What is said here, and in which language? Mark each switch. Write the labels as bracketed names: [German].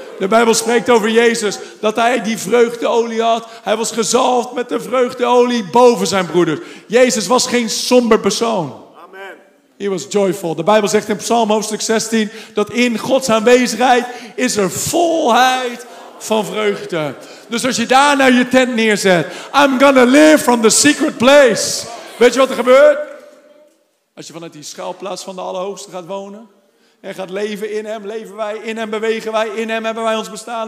[Dutch] De Bijbel spreekt over Jezus. Dat hij die vreugdeolie had. Hij was gezalfd met de vreugdeolie boven zijn broeders. Jezus was geen somber persoon. Amen. [English] He was joyful. [Dutch] De Bijbel zegt in Psalm hoofdstuk 16. Dat in Gods aanwezigheid is er volheid van vreugde. Dus als je daar nou je tent neerzet. [English] I'm gonna live from the secret place. [Dutch] Weet je wat er gebeurt? Als je vanuit die schuilplaats van de Allerhoogste gaat wonen. En gaat leven in hem, leven wij, in hem bewegen wij, in hem hebben wij ons bestaan.